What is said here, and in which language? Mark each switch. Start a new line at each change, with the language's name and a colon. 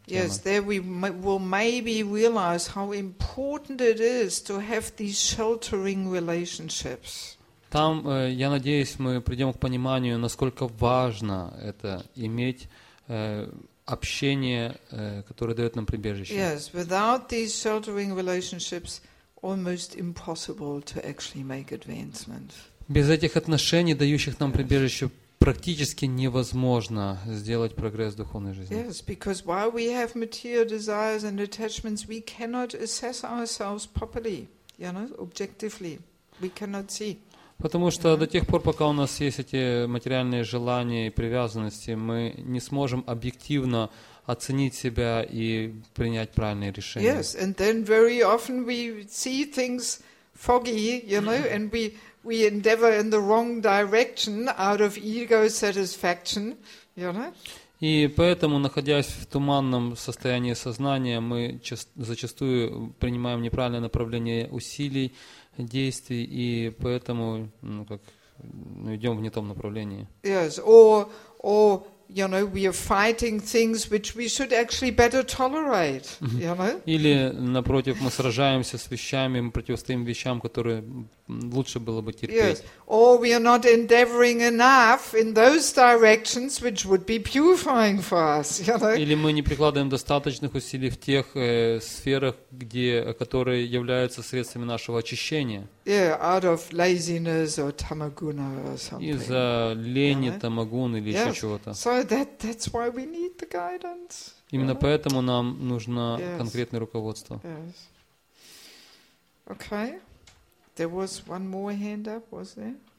English: Yes, there we will maybe realize how important it is to have these sheltering relationships.
Russian: Там, я надеюсь, мы придем к пониманию, насколько важно это иметь общение, которое дает нам прибежище.
English: Yes, without these sheltering relationships, almost impossible to actually make advancement.
Russian: Без этих отношений, дающих нам прибежище, практически невозможно сделать прогресс в духовной жизни.
English: Yes, because while we have material desires and attachments, we cannot assess ourselves properly, you know, objectively. We cannot see.
Russian: Потому что до тех пор, пока у нас есть эти материальные желания и привязанности, мы не сможем объективно оценить себя и принять правильные решения.
English: Yes, and then very often we see things foggy, you know, and we endeavor in the wrong direction out of ego satisfaction, you know?
Russian: И поэтому, находясь в туманном состоянии сознания, мы зачастую принимаем неправильное направление усилий, действий, и поэтому, идем в не том направлении.
English: Yes, or you know, we are fighting things which we should actually better tolerate, you know?
Russian: Или, напротив, мы сражаемся с вещами, мы противостоим вещам, которые лучше было бы терпеть.
English: Yes. Or we are not endeavoring enough in those directions which would be purifying for us, you know?
Russian: Или мы не прикладываем достаточных усилий в тех сферах, которые являются средствами нашего очищения.
English: Yeah, out of laziness or tamaguna or something.
Russian: Из-за лени, тамагун или еще чего-то.
English: So that's why we need the guidance.
Russian: Именно поэтому нам нужно конкретное руководство.
English: Yes. Okay. There was one more hand up, was there?